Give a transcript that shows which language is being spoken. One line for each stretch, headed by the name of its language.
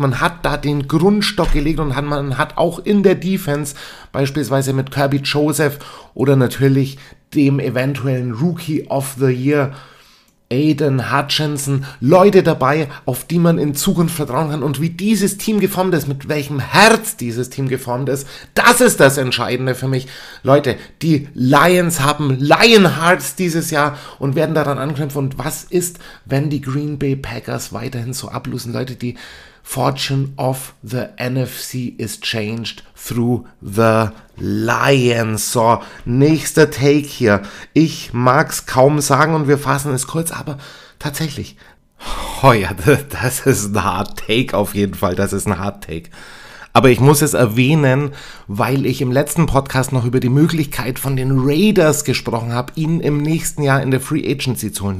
German: Man hat da den Grundstock gelegt und man hat auch in der Defense, beispielsweise mit Kirby Joseph oder natürlich dem eventuellen Rookie of the Year Aiden Hutchinson, Leute dabei, auf die man in Zukunft vertrauen kann. Und wie dieses Team geformt ist, mit welchem Herz dieses Team geformt ist, das ist das Entscheidende für mich. Leute, die Lions haben Lion Hearts dieses Jahr und werden daran anknüpfen. Und was ist, wenn die Green Bay Packers weiterhin so ablosen? Leute, die
English: Fortune of the NFC is changed through the Lions.
German: So, nächster Take hier. Ich mag's kaum sagen und wir fassen es kurz, aber tatsächlich. Oh ja, das ist ein Hard Take auf jeden Fall. Das ist ein Hard Take. Aber ich muss es erwähnen, weil ich im letzten Podcast noch über die Möglichkeit von den Raiders gesprochen habe, ihn im nächsten Jahr in der Free Agency zu holen.